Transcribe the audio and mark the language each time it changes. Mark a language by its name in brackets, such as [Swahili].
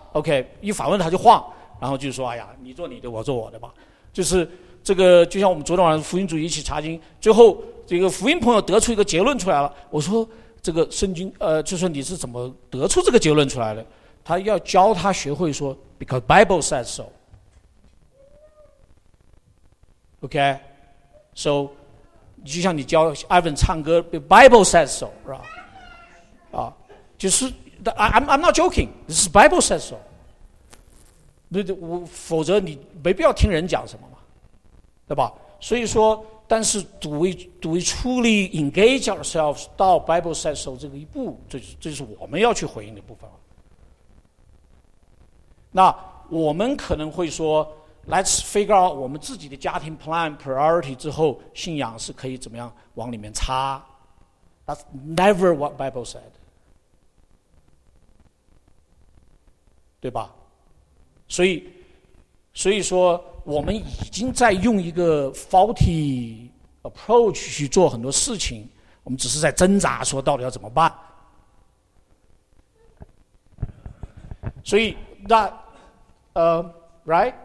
[Chinese] OK， 一反问他就晃，然后就说：“哎呀，你做你的，我做我的吧。” 就是这个，就像我们昨天晚上福音主义一起查经，最后这个福音朋友得出一个结论出来了。我说：“这个圣经，就说你是怎么得出这个结论出来的？” 他要教他学会说 ： [English] “Because Bible says so。” [Chinese] OK， so 就像你教 Ivan 唱歌 ， [English] Bible says so， [Chinese] 是吧？啊，就是 [English] I'm not joking， this is Bible says so。 [Chinese] 否则你没必要听人讲什么嘛，对吧？所以说，但是 [English] do we truly engage ourselves [Chinese] 到 [English] Bible says so [Chinese] 这个一步，这是我们要去回应的部分。那我们可能会说。 [English] Let's figure out [Chinese] 我们自己的家庭 [English] plan priority [Chinese] 之后，信仰是可以怎么样往里面插。 [English] That's never what Bible said， [Chinese] 对吧？所以说，我们已经在用一个 [English] faulty approach [Chinese] 去做很多事情，我们只是在挣扎，说到底要怎么办。所以 [English] that， right？